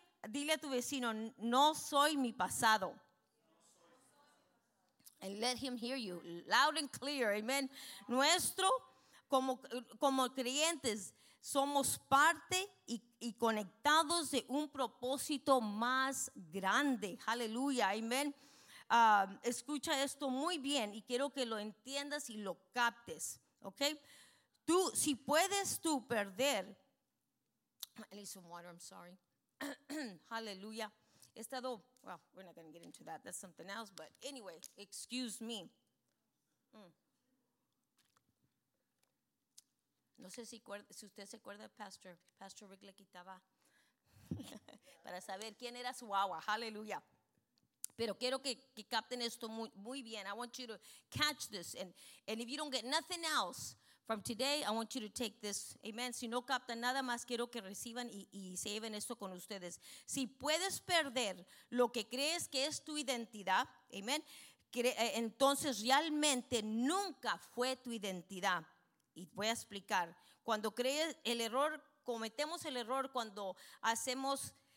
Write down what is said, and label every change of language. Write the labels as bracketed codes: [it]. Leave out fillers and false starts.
[es] Dile a tu vecino, no soy mi pasado. [en] And let him hear you loud and clear. Amen. [es] Nuestro, como creyentes, somos parte y conectados de un propósito más grande. Hallelujah. Amen. Escucha esto muy bien y quiero que lo entiendas y lo captes. [en] Okay. [es] Tú, si puedes tú perder. [en] I need some water. I'm sorry. Hallelujah. Estado, well, we're not going to get into that. That's something else. But anyway, excuse me. [es] No sé si usted se acuerda, Pastor. Pastor Rick le quitaba para saber quién era su agua. Hallelujah. Pero quiero que capten esto muy, muy bien. [en] I want you to catch this. And if you don't get nothing else from today, I want you to take this. Amen. [es] Si no captan nada más, quiero que reciban y se lleven esto con ustedes. Si puedes perder lo que crees que es tu identidad, amen, entonces realmente nunca fue tu identidad. Y voy a explicar. Cuando crees el error, cometemos el error cuando hacemos